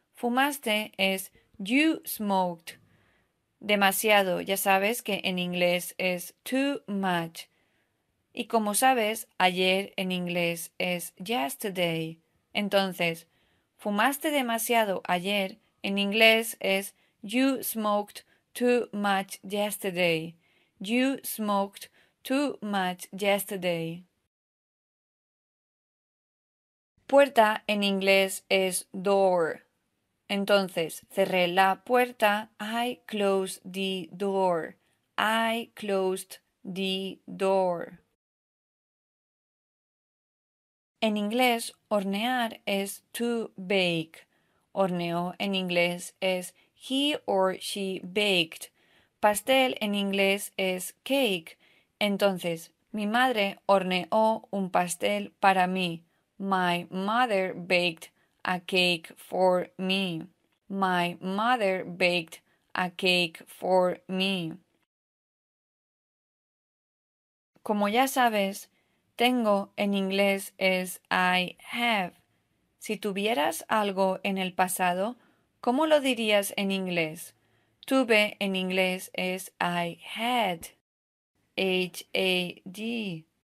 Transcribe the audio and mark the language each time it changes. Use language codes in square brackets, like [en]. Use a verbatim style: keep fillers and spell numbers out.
[es] Fumaste es [en] you smoked. [es] Demasiado, ya sabes que en inglés es too much. Y como sabes, ayer en inglés es yesterday. Entonces, fumaste demasiado ayer, en inglés es [en] you smoked too much yesterday. You smoked too much yesterday. [es] Puerta en inglés es door. Entonces, cerré la puerta. [en] I closed the door. I closed the door. [es] En inglés, hornear es to bake. Horneó en inglés es [en] he or she baked. [es] Pastel en inglés es cake. Entonces, mi madre horneó un pastel para mí. [en] My mother baked a cake for me. My mother baked a cake for me. [es] Como ya sabes, tengo en inglés es I have. Si tuvieras algo en el pasado, ¿cómo lo dirías en inglés? Tuve en inglés es I had. H A D.